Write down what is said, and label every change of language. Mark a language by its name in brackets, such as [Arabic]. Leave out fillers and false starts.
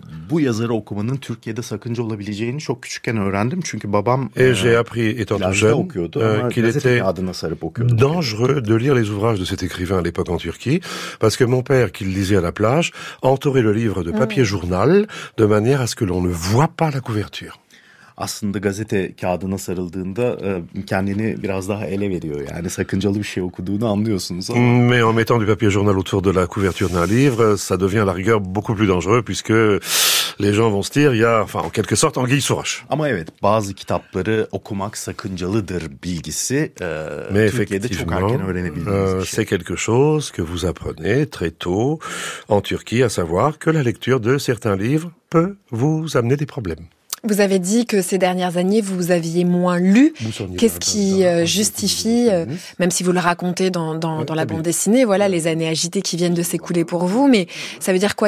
[Turkish] Bu yazarı okumanın Türkiye'de sakınca olabileceğini çok küçükken öğrendim çünkü babam [French] j'ai appris étant tout jeune qu'il était dangereux de lire les ouvrages de cet écrivain à l'époque en Turquie parce que mon père qui le lisait à la plage entourait le livre de papier journal de manière à ce que l'on ne voit pas la couverture. [Turkish] Aslında gazete kağıdına sarıldığında kendini biraz daha ele veriyor. Yani sakıncalı bir şey okuduğunu anlıyorsunuz. Ama... [French] Mais en mettant du papier journal autour de la couverture d'un livre, ça devient à la rigueur beaucoup plus dangereux puisque les gens vont se dire, il y a, enfin, en quelque sorte, anguille sous roche. [Turkish] Ama evet, bazı kitapları okumak sakıncalıdır bilgisi. [French] Mais [Turkish] Türkiye'de [French] effectivement, [Turkish] çok erken öğrenebildiğiniz bir şey. [French] C'est quelque chose que vous apprenez très tôt en Turquie, à savoir que la lecture de certains livres peut vous amener des problèmes. Vous avez dit que ces dernières années, vous aviez moins lu. Qu'est-ce qui justifie, même si vous le racontez dans la bande dessinée, voilà, les années agitées qui viennent de s'écouler pour vous, mais ça veut dire quoi?